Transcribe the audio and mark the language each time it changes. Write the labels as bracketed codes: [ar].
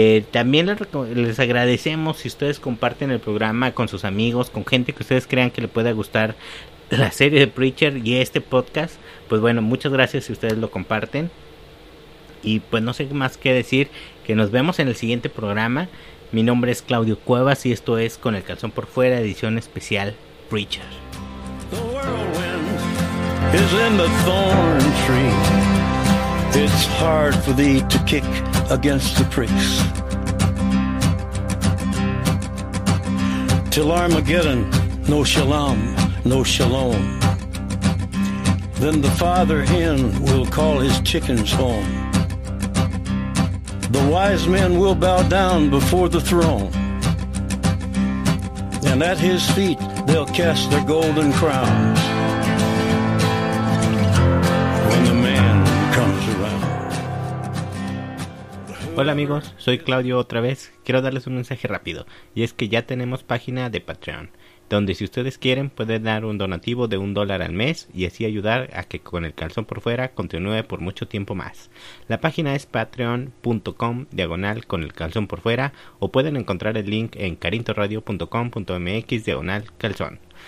[es] También les agradecemos si ustedes comparten el programa con sus amigos, con gente que ustedes crean que le pueda gustar la serie de Preacher y este podcast. Pues bueno, muchas gracias si ustedes lo comparten. Y pues no sé más que decir que nos vemos en el siguiente programa. Mi nombre es Claudio Cuevas y esto es Con el Calzón por Fuera, edición especial Preacher. [en] The whirlwind is in the thorn tree. It's hard for thee to kick against the pricks. Till Armageddon, no shalom, no shalom. Then the father hen will call his chickens home. The wise men will bow down before the throne. And at his feet they'll cast their golden crowns. When the man comes around. [es] Hola amigos, soy Claudio otra vez. Quiero darles un mensaje rápido. Y es que ya tenemos página de Patreon, donde si ustedes quieren pueden dar un donativo de $1 al mes y así ayudar a que Con el Calzón por Fuera continúe por mucho tiempo más. La página es patreon.com/conelcalzonporfuera o pueden encontrar el link en carintoradio.com.mx/calzón.